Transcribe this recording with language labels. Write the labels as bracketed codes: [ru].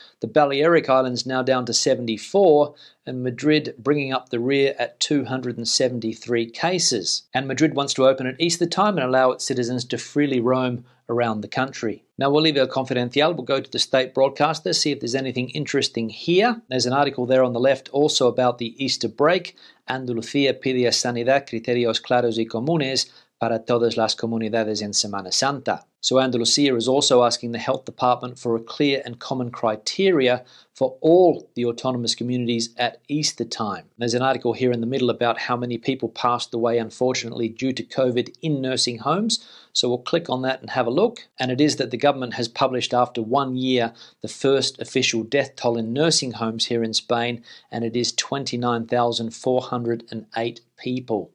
[en] The Balearic Islands now down to 74. And Madrid bringing up the rear at 273 cases. And Madrid wants to open at Easter time and allow its citizens to freely roam around the country. Now we'll leave El Confidencial, we'll go to the state broadcaster, see if there's anything interesting here. There's an article there on the left also about the Easter break. [es] Andalucía pide a Sanidad criterios claros y comunes para todas las comunidades en Semana Santa. [en] So Andalucía is also asking the health department for a clear and common criteria for all the autonomous communities at Easter time. There's an article here in the middle about how many people passed away, unfortunately, due to COVID in nursing homes. So we'll click on that and have a look. And it is that the government has published after 1 year the first official death toll in nursing homes here in Spain, and it is 29,408 people.